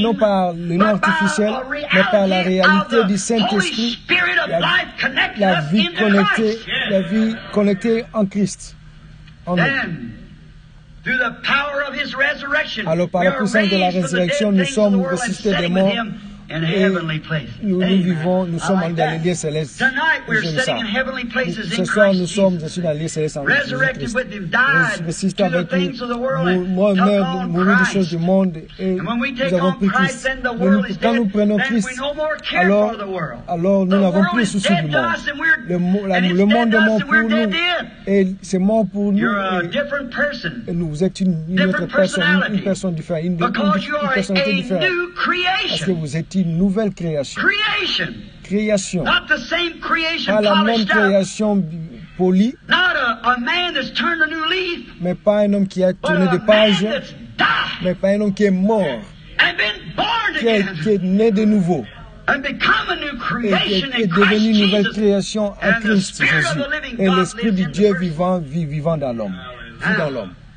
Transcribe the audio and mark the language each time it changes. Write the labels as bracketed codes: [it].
[fr] non par le nom artificiel, mais par la réalité du Saint-Esprit, la vie connectée, la vie connectée en Christ. En [en] then, through the power of his resurrection, [fr] alors par la puissance de la résurrection, nous sommes ressuscités des morts. [en] In heavenly places. [fr] Nous, nous vivons, nous sommes dans les lieux célestes. [en] Tonight we're sitting in heavenly places in Christ. [fr] Ce soir nous sommes dans les lieux célestes en Christ. [en] Resurrected with him, died to the things of the world and took on Christ. And when we take on Christ, then the world is dead. [fr] Quand nous prenons Christ, [en] then we no more care for the world. [fr] Alors nous n'avons plus souci du monde. Le monde est mort pour nous. Et c'est mort pour nous. [en] You're a different person. [fr] Et nous, vous êtes une autre personne, une personne différente, une personnalité [en] Because you are a new creation. [fr] Parce que vous êtes une nouvelle création. [en] Creation. [fr] Création. [en] Not the same creation [fr] pas la même création polie. [en] Not a man that's turned a new leaf, [fr] mais pas un homme qui a tourné de page. Mais pas un homme qui est mort. [en] And been born [fr] qui, [en] again. [fr] Qui est né de nouveau. [en] And become a new creation [fr] et devenu une nouvelle création [en] Jesus. [fr] En Christ Jésus. Et l'Esprit du Dieu vivant vit dans l'homme. Vit dans l'homme.